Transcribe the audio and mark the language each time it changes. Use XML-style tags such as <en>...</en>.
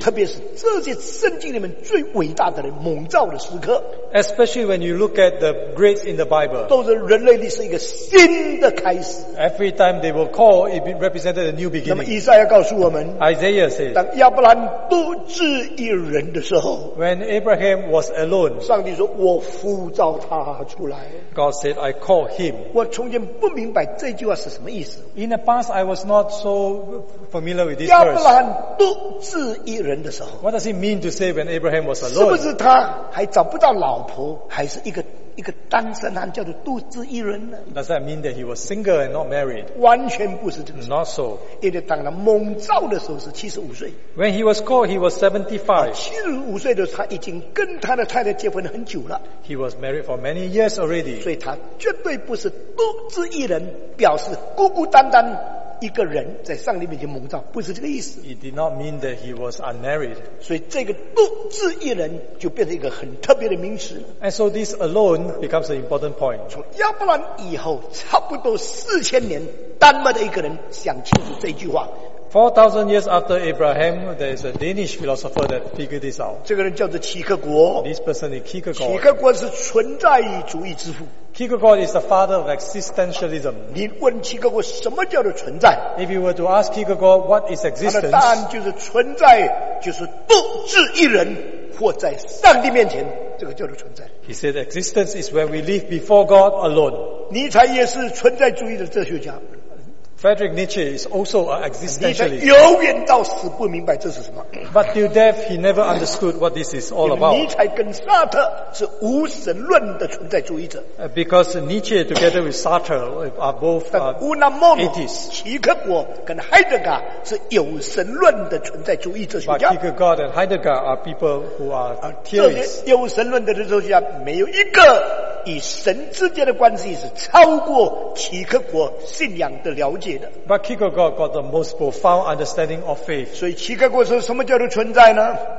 <zh>特别是这些圣经里面最伟大的人蒙召的时刻，</zh> <en>especially when you look at the greats in the Bible,</en> <zh>都是人类历史一个新的开始。</zh> <en>Every time they were called, it represented a new beginning.</en> <zh>那么以赛亚告诉我们，</zh> <en>Isaiah says,</en> <zh>当亚伯兰独自一人的时候，</zh> <en>when Abraham was alone,</en> <zh>上帝说我呼召他出来，</zh> <en>God said, I called him.</en> <zh>我从前不明白这句话是什么意思。</zh> <en>In the past, I was not so familiar with this verse.</en> <zh>亚伯兰独自一人的时候，</zh> <en>What does it mean to say when Abraham was alone?</en> <zh>是不是他还找不到老婆，还是一个单身汉叫做独自一人呢？</zh> <en>Does that mean that he was single and not married?</en> <zh>完全不是这个。</zh> <en>Not so.</en> <zh>因为当他蒙召的时候是75岁。</zh> <en>When he was called, he was 75.</en> <zh>75岁的时候，他已经跟他的太太结婚很久了。</zh> <en>He was married for many years already.</en> <zh>所以他绝对不是独自一人，表示孤孤单单一个人在上帝面前蒙召，不是这个意思。</zh> <en>It did not mean that he was unmarried.</en> <zh>所以这个独自一人就变成一个很特别的名词。</zh> <en>And so this alone becomes an important point.</en> <zh>从亚伯兰以后，差不多4000年，丹麦的一个人想清楚这句话。</zh> <en>4,000 years after Abraham, there is a Danish philosopher that figured this out.</en> <zh>这个人叫做齐克国。</zh> <en>This person is Kierkegaard.</en> <zh>齐克国是存在主义之父。</zh> <en>Kierkegaard is the father of existentialism.</en> <zh>你问齐克国什么叫做存在？</zh> <en>If you were to ask Kierkegaard what is existence,</en> <zh>他的答案就是存在就是独自一人活在上帝面前，这个叫做存在。</zh> <en>He said existence is when we live before God alone.</en> <zh>尼采也是存在主义的哲学家。</zh> <en>Friedrich Nietzsche is also an existentialist.</en> <zh>永远到死不明白这是什么。</zh> <en>But till death, he never understood what this is all about.</en> <zh>尼采跟萨特是无神论的存在主义者。</zh> <en>Because Nietzsche together with Sartre are both atheists.</en> <zh>齐克果跟海德格是有神论的存在主义哲学家。</zh> <en>But Kierkegaard and Heidegger are people who are theorists.</en> <zh>这些有神论的哲学家没有一个与神之间的关系是超过齐克果信仰的了解。</zh> <en>But Kierkegaard got the most profound understanding of faith.</en> <zh>所以齐克果说什么叫做存在呢？</zh>